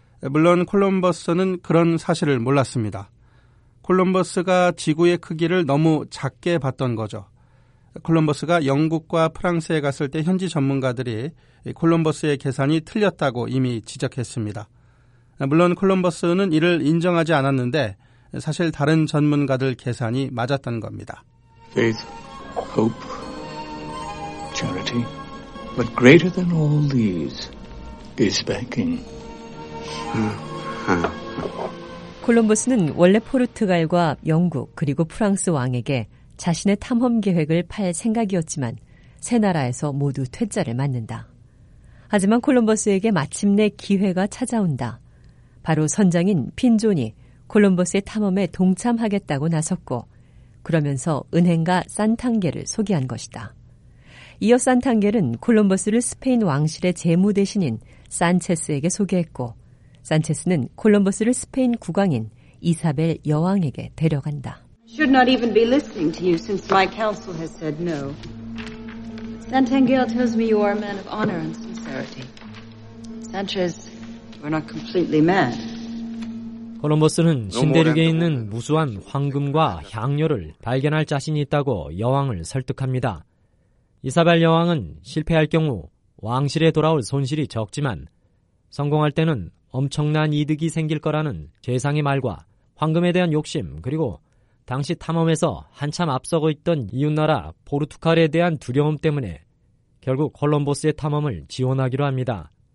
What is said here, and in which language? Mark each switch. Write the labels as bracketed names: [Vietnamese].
[Korean] 물론 콜럼버스는 그런 사실을 몰랐습니다. 콜럼버스가 지구의 크기를 너무 작게 봤던 거죠. 콜럼버스가 영국과 프랑스에 갔을 때 현지 전문가들이 콜럼버스의 계산이 틀렸다고 이미 지적했습니다. 물론 콜럼버스는 이를 인정하지 않았는데 사실 다른 전문가들 계산이 맞았던 겁니다. [English] Faith, hope, charity, but greater than all these is banking. [Korean] 콜럼버스는 원래 포르투갈과 영국 그리고 프랑스 왕에게 자신의 탐험 계획을 팔 생각이었지만 세 나라에서 모두 퇴짜를 맞는다. 하지만 콜럼버스에게 마침내 기회가 찾아온다. 바로 선장인 핀존이 콜럼버스의 탐험에 동참하겠다고 나섰고 그러면서 은행가 산탕겔을 소개한 것이다. 이어 산탕겔은 콜럼버스를 스페인 왕실의 재무 대신인 산체스에게 소개했고 산체스는 콜럼버스를 스페인 국왕인 이사벨 여왕에게 데려간다. [English] Should not even be listening to you since my council has said no. Santangel tells me you are a man of honor and sincerity. Sanchez, you are not completely mad. [Korean] 콜럼버스는 신대륙에 있는 무수한 황금과 향료를 발견할 자신이 있다고 여왕을 설득합니다. 이사벨 여왕은 실패할 경우 왕실에 돌아올 손실이 적지만 성공할 때는 엄청난 이득이 생길 거라는 재상의 말과 황금에 대한 욕심 그리고 당시 탐험에서 한참 앞서고 있던 이웃나라 포르투갈에 대한 두려움 때문에 결국 콜럼버스의 탐험을 지원하기로 합니다.